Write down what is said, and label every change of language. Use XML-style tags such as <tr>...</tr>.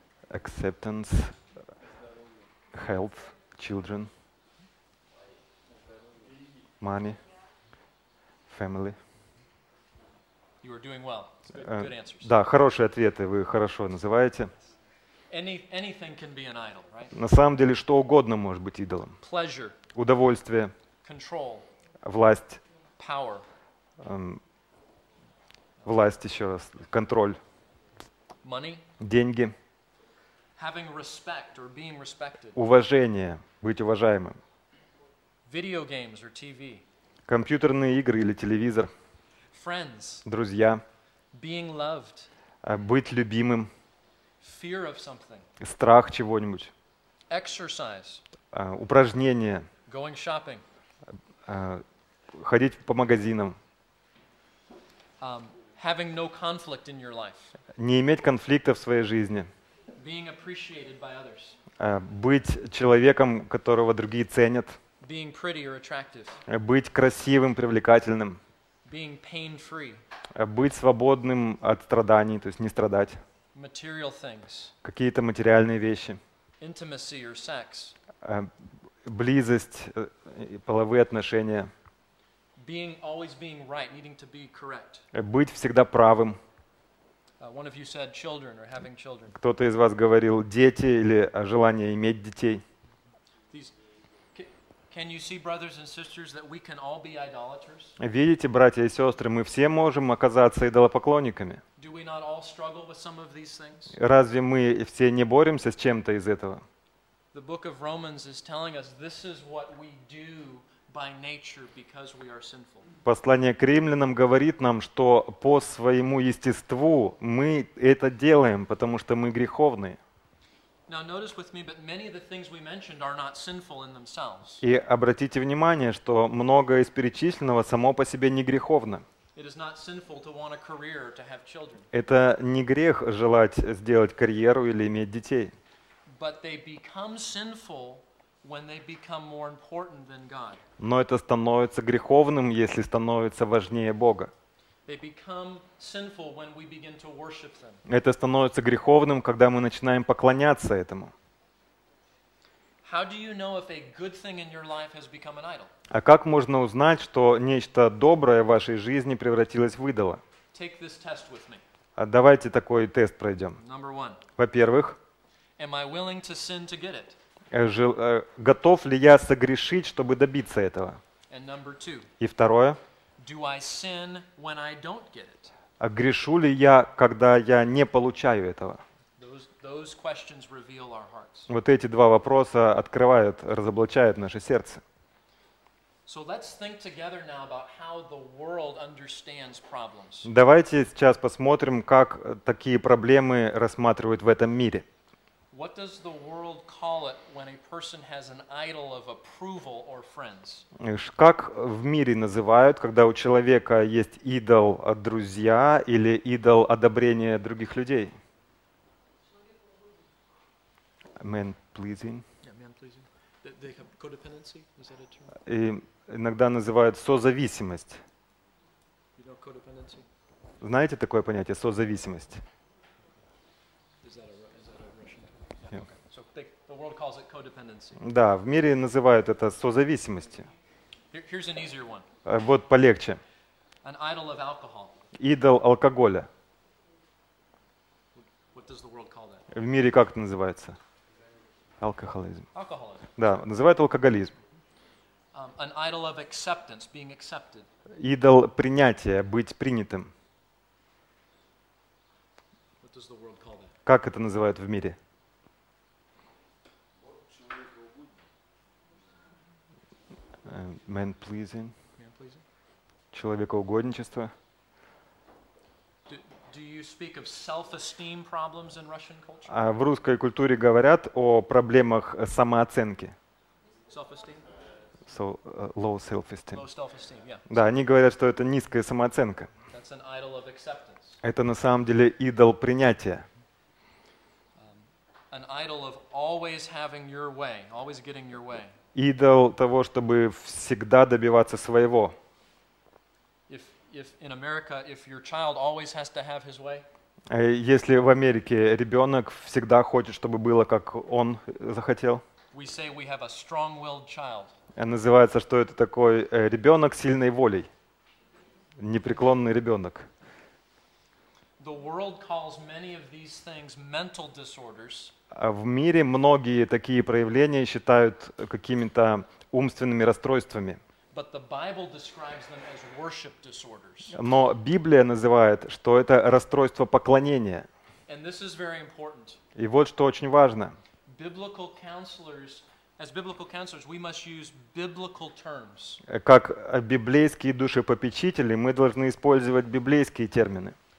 <en>Acceptance, health, children, money, family. You are doing well. Good answers.</en> <ru>Да, хорошие ответы вы хорошо называете.</ru> <en>Anything can be an idol, right?</en> <ru>На самом деле, что угодно может быть идолом.</ru> <en>Pleasure,</en> <ru>удовольствие,</ru> <en>control,</en> <ru>власть,</ru> <en>power.</en> <ru>Власть, еще раз, контроль,</ru> <en>money.</en> <ru>Деньги.</ru> <en>Having respect or being respected.</en> <ru>Уважение, быть уважаемым.</ru> <en>Video games or TV.</en> <ru>Компьютерные игры или телевизор.</ru> <en>Friends.</en> <ru>Друзья.</ru> <en>Being loved.</en> <ru>Быть любимым.</ru> <en>Fear of something.</en> <ru>Страх чего-нибудь.</ru> <en>Exercise.</en> <ru>Упражнения.</ru> <en>Going shopping.</en> <ru>Ходить по магазинам.</ru> <en>Having no conflict in your life.</en> <ru>Не иметь конфликта в своей жизни.</ru> <en>Being appreciated by others.</en> <ru>Быть человеком, которого другие ценят.</ru> <en>Being pretty or attractive.</en> <ru>Быть красивым, привлекательным.</ru> <en>Being pain-free.</en> <ru>Быть свободным от страданий, то есть не страдать.</ru> <en>Material things.</en> <ru>Какие-то материальные вещи.</ru> <en>Intimacy or sex.</en> <ru>Близость, половые отношения.</ru> <en>Being always being right, needing to be correct.</en> <ru>Быть всегда правым.</ru> <en>One of you said children or having children.</en> <ru>Кто-то из вас говорил дети или желание иметь детей.</ru> <en>Can you see, brothers and sisters, that we can all be idolaters?</en> <ru>Видите, братья и сестры, мы все можем оказаться идолопоклонниками?</ru> <en>Do we not all struggle with some of these things?</en> <ru>Разве мы все не боремся с чем-то из этого?</ru> <en>The book of Romans is telling us this is what we do by nature because we are sinful.</en> <ru>Послание к римлянам говорит нам, что по своему естеству мы это делаем, потому что мы греховны.</ru> <en>Now notice with me, but many of the things we mentioned are not sinful in themselves.</en> <ru>И обратите внимание, что многое из перечисленного само по себе не греховно.</ru> <en>It is not sinful to want a career or to have children.</en> <ru>Это не грех желать сделать карьеру или иметь детей.</ru> <en>But they become sinful when they become more important than God.</en> <ru>Но это становится греховным, если становится важнее Бога.</ru> <en>They become sinful when we begin to worship them.</en> <ru>Это становится греховным, когда мы начинаем поклоняться этому.</ru> <en>How do you know if a good thing in your life has become an idol?</en> <ru>А как можно узнать, что нечто доброе в вашей жизни превратилось в идола?</ru> <en>Take this test with me.</en> <ru>Давайте такой тест пройдем.</ru> <en>Number one.</en> <ru>Во-первых,</ru> <en>am I willing to sin to get it?</en> <ru>Готов ли я согрешить, чтобы добиться этого?</ru> <en>And number two.</en> <ru>И второе,</ru> <en>do I sin when I don't get it?</en> <ru>А грешу ли я, когда я не получаю этого?</ru> <en>Those questions reveal our hearts.</en> <ru>Вот эти два вопроса открывают, разоблачают наше сердце.</ru> <en>So let's think together now about how the world understands problems.</en> <ru>Давайте сейчас посмотрим, как такие проблемы рассматривают в этом мире.</ru> <en>What does the world call it when a person has an idol of approval or friends?</en> <ru>Как в мире называют, когда у человека есть идол друзья или идол одобрения других людей?</ru> <en>Man pleasing. Yeah, man pleasing. They have codependency. Is that a term?</en> <ru>И иногда называют созависимость.</ru> <en>You know codependency?</en> <ru>Знаете такое понятие созависимость?</ru> <en>Is that a Russian? Yeah. Okay. So the world calls it codependency.</en> <ru>Да, в мире называют это созависимостью.</ru> <en>Here's an easier one.</en> <ru>Вот полегче.</ru> <en>An idol of alcohol.</en> <ru>Идол алкоголя.</ru> <en>What does the world call that?</en> <ru>В мире как это называется? Алкоголизм.</ru> <en>Alcoholism.</en> <ru>Да, называют алкоголизм.</ru> <en>An idol of acceptance, being accepted.</en> <ru>Идол принятия, быть принятым.</ru> <en>What does the world call that?</en> <ru>Как это называют в мире?</ru> <en>Man pleasing.</en> <ru>Человекоугодничество.</ru> <en>Do you speak of self-esteem problems in Russian culture?</en> <ru>А в русской культуре говорят о проблемах самооценки.</ru> <en>Self-esteem? So, low self-esteem. Low self-esteem, yeah.</en> <ru>Да, они говорят, что это низкая самооценка.</ru> <en>That's an idol of acceptance.</en> <ru>Это на самом деле идол принятия.</ru> <en>An idol of always having your way, always getting your way.</en> <ru>Идол того, чтобы всегда добиваться своего.</ru> <en>If in America, if your child always has to have his way,</en> <ru>если в Америке ребенок всегда хочет, чтобы было как он захотел,</ru> <en>we say we have a strong-willed child.</en> <ru>Называется, что это такой ребенок сильной волей, непреклонный ребенок.</ru> <en>The world calls many of these things mental disorders.</en> <ru>В мире многие такие проявления считают какими-то умственными расстройствами.</ru> <en>But the Bible describes them as worship disorders.</en> <ru>Но Библия называет, что это расстройство поклонения.</ru> <en>And this is very important.</en> <ru>И вот что очень важно.</ru> <en>Biblical counselors, as biblical counselors, we must use biblical terms.</en> <ru>Как библейские душепопечители, мы должны использовать библейские термины.</ru>